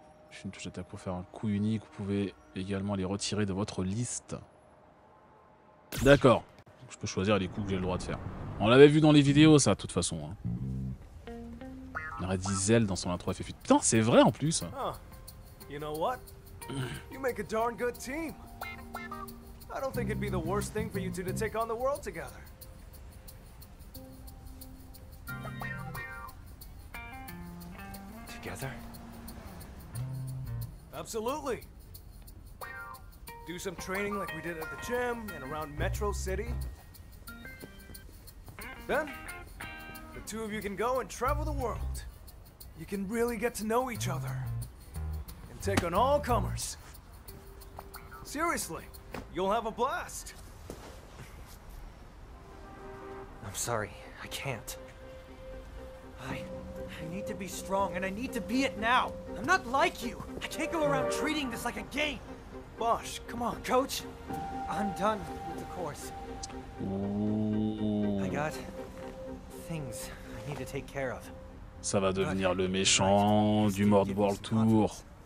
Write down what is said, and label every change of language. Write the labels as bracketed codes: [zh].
[fr] Je suis une touche d'attaque pour faire un coup unique. Vous pouvez également les retirer de votre liste. D'accord. Je peux choisir les coups que j'ai le droit de faire. On l'avait vu dans les vidéos, ça, de toute façon. Hein. On aurait dit Zelle dans son intro FF. Putain, c'est vrai en plus. [en] You know what? You make a darn good team. I don't think it'd be the worst thing for you two to take on the world together. Together? Absolutely. Do some training like we did at the gym and around Metro City. Then, the two of you can go and travel the world. You can really get to know each other and take on all comers. Seriously, you'll have a blast. I'm sorry, I can't. I need to be strong and I need to be it now. I'm not like you. I can't go around treating this like a game. Bosh, come on. Coach, I'm done with the course. I got things I need to take care of. [fr] Ça va devenir le méchant du Mord World Tour.